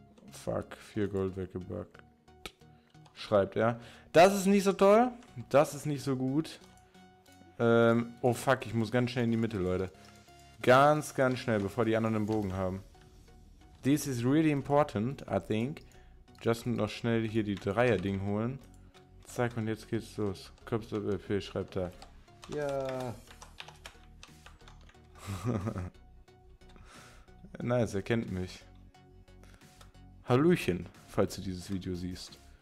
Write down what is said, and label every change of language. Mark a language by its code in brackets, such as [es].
[de] Fuck, 4 Gold weggebackt. Schreibt er. Das ist nicht so toll. Das ist nicht so gut. Oh fuck, ich muss ganz schnell in die Mitte, Leute. Ganz, ganz schnell, bevor die anderen den Bogen haben. [en] This is really important, I think. [de] Just noch schnell hier die Dreier-Ding holen. Zack, und jetzt geht's los. Cops of LP, schreibt er. Ja. Nice, er kennt mich. Hallöchen, falls du dieses Video siehst.